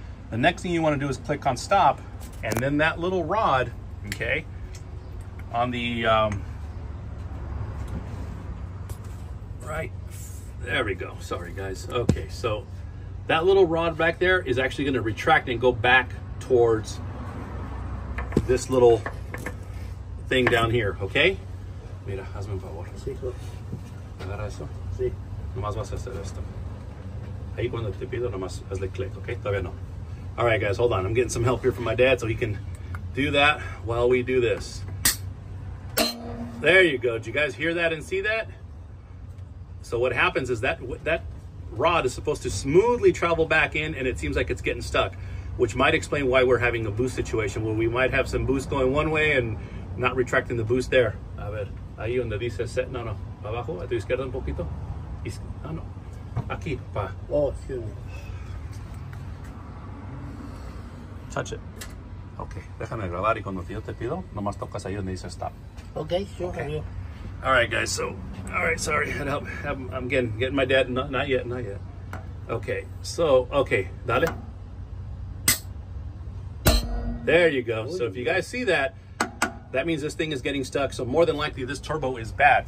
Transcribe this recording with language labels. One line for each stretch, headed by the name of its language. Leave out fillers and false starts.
English: The next thing you wanna do is click on stop, and then that little rod, okay, on the right there, we go. Sorry guys. Okay, so that little rod back there is actually going to retract and go back towards this little thing down here.
Spanish: Okay, mira, hazme un favor. Sí, agarra eso. Sí, nomás vas a hacer esto ahí cuando te pido, nomás hazle click. Okay, todavía no.
English: All right guys, hold on, I'm getting some help here from my dad so he can do that while we do this. There you go. Do you guys hear that and see that? So what happens is that rod is supposed to smoothly travel back in, and it seems like it's getting stuck, which might explain why we're having a boost situation where we might have some boost going one way and not retracting the boost there.
Spanish: A ver, ahí donde dice set, no, no, abajo, a tu izquierda un poquito. No, no, aquí, pa.
English: Oh, excuse me. Touch it.
Spanish: Okay, déjame grabar y cuando yo te pido, nomás tocas ahí donde dice stop.
English: Okay, sure. Okay. All right, guys, so, all right, sorry, I'm getting my dad, not yet. Okay, so, okay, dale. There you go. So if you guys see that, that means this thing is getting stuck, so more than likely this turbo is bad.